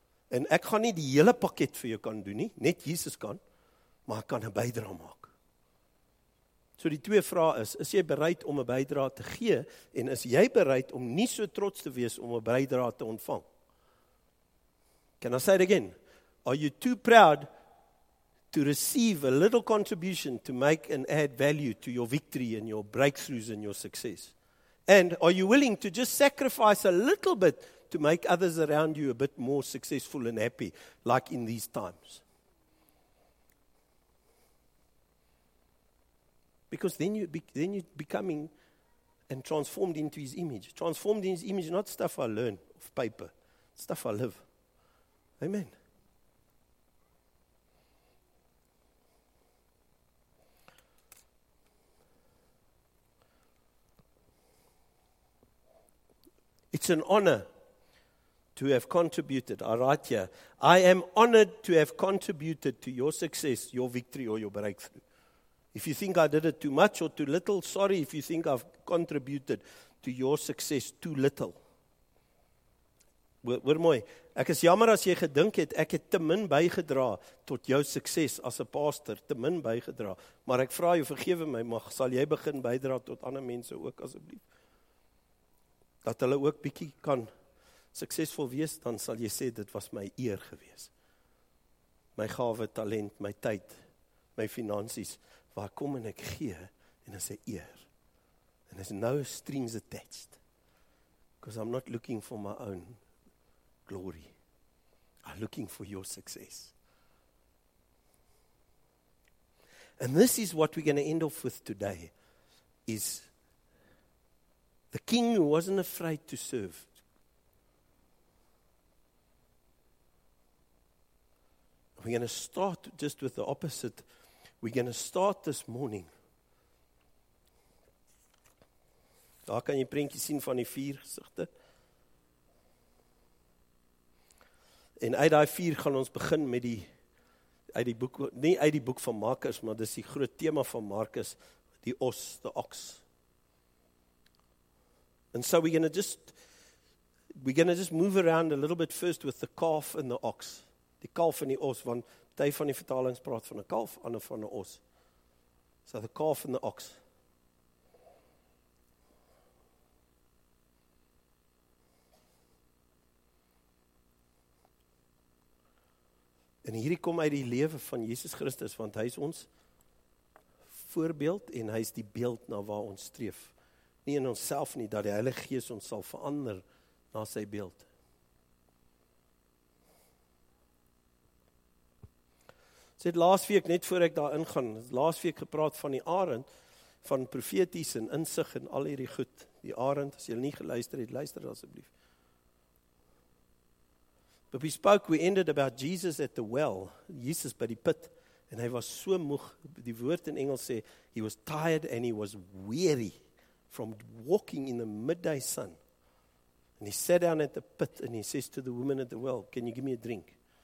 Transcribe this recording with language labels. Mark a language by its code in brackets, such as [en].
[af] En ek gaan nie die hele pakket vir jou kan doen nie, net Jesus kan, maar ek kan 'n bydra maak. So die twee vrae is, is jy bereid om 'n bydra te gee, en is jy bereid om nie so trots te wees om 'n bydra te ontvang? [en] Can I say it again? Are you too proud to receive a little contribution to make and add value to your victory and your breakthroughs and your success? And are you willing to just sacrifice a little bit to make others around you a bit more successful and happy, like in these times? Because then you becoming and transformed into his image. Transformed in his image, not stuff I learn off paper, stuff I live. Amen. It's an honor to have contributed. I write here, I am honored to have contributed to your success, your victory, or your breakthrough. If you think I did it too much or too little, sorry if you think I've contributed to your success too little. [af] Hoor mooi, ek is jammer as jy gedink het, ek het te min bygedra tot jou sukses as 'n pastor, te min bygedra. Maar ek vra jou, vergewe my, maar sal jy begin bydra tot ander mense ook asseblief? Dat hulle ook bietjie kan suksesvol wees, dan sal jy sê, dit was my eer gewees. My gawe, talent, my tyd, my finansies, waar kom en ek gee, en is 'n eer. [en] And there's no strings attached. Because I'm not looking for my own glory. I'm looking for your success. And this is what we're going to end off with today, is the king who wasn't afraid to serve. We're going to start just with the opposite. We're going to start this morning. [af] Daar kan jy prentjie sien van die vier gesigte. En uit die vier gaan ons begin met die, uit die boek, nie uit die boek van Markus, maar dis die groot tema van Markus, die os, the ox. [en] And so we're going to just move around a little bit first with the calf and the ox. [af] Die kalf en die os, want tyd van die vertalings praat van 'n kalf, ander van 'n os. [en] So the calf and the ox. [af] En hierdie kom uit die lewe van Jesus Christus, want hy is ons voorbeeld en hy is die beeld na waar ons streef. Nie in onsself nie, dat die Heilige Gees ons sal verander na sy beeld. Sy het laasweek, net voor ek daar ingaan, laasweek gepraat van die arend, van profeties en insig en al hierdie goed. Die arend, as jy nie geluister het, luister asseblief. [en] But we spoke, we ended about Jesus at the well, Jesus [af] by die put, en hy was so moeg, die woord in Engels sê, [en] he was tired and he was weary from walking in the midday sun. And he sat down at the pit and he says to the woman at the well, can you give me a drink?